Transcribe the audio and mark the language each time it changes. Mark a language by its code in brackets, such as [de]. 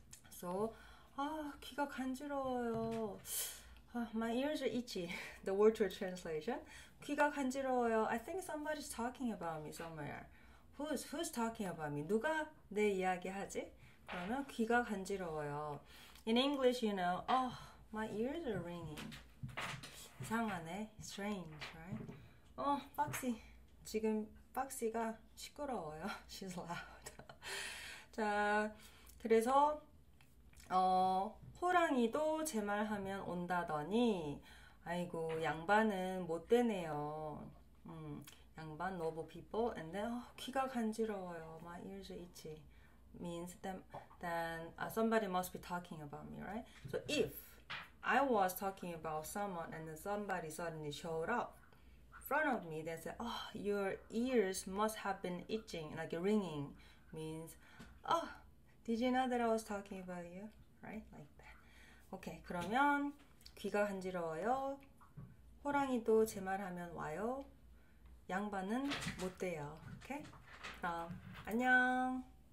[ko] So 아, 귀가 간지러워요. [en] 아, my ears are itchy. The word to a translation. [ko] 귀가 간지러워요. [en] I think somebody's talking about me somewhere. Who's talking about me? [ko] 누가 내 이야기 하지? 그러면 귀가 간지러워요. [en] In English, you know, oh, my ears are ringing. [ko] 이상하네. [en] Strange, right? Oh, Foxy. [ko] 지금 Foxy가 시끄러워요. [en] She's loud. [ko] 자, 그래서, 호랑이도 제말 하면 온다더니, 아이고, 양반은 못 되네요. [en] 양반, noble people, and then [ko] 귀가 간지러워요. [en] My ears are itchy. Means then somebody must be talking about me, right? So if I was talking about someone and then somebody suddenly showed up in front of me, they said, oh, your ears must have been itching, like ringing. Means, oh, did you know that I was talking about you? Right? Like that. Okay, [ko] 그러면 귀가 간지러워요. 호랑이도 제말 하면 와요. 양반은 못 돼요. 오케이? 그럼, 안녕!